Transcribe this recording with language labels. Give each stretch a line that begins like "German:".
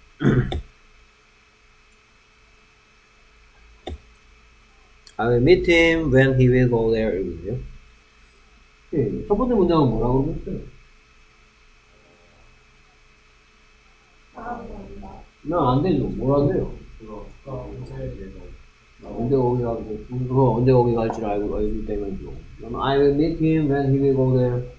Korean: 네.
English: I will meet him when he will go there.
Korean: 이거요? 첫 번째 문장은 뭐라고 했어요? 나 안 되죠. 뭐라 돼요? 언제 거기 갈지, 언제 거기 갈지 알고 있기 때문이죠.
English: I will meet him when he will go there.